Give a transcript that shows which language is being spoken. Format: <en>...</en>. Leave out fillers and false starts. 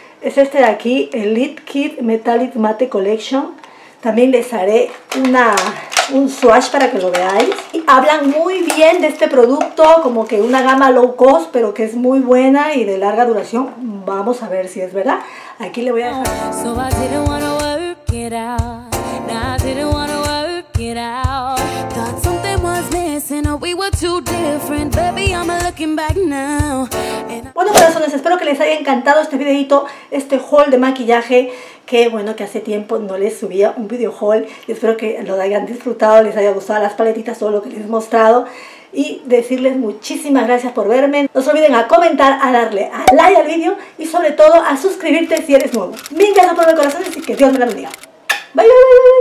<es>Es este de aquí, el Lit Kit Metallic Matte Collection. También les haré un swatch para que lo veáis. Y hablan muy bien de este producto, como que una gama low cost, pero que es muy buena y de larga duración. Vamos a ver si es verdad. Aquí le voy a dejar.</es> <en>So I didn't wanna work it out. No, I didn't wanna work it out. Thought something was missing, or we were too different. Baby, I'm looking back now.</en> <es>Bueno, corazones, espero que les haya encantado este videito, este haul de maquillaje. Que bueno que hace tiempo no les subía un video haul. Y espero que lo hayan disfrutado, les haya gustado las paletitas, todo lo que les he mostrado. Y decirles muchísimas gracias por verme. No se olviden a comentar, a darle a like al video y sobre todo a suscribirte si eres nuevo. Mil gracias por ver, corazones, y que Dios me la bendiga. Bye, bye, bye.</es>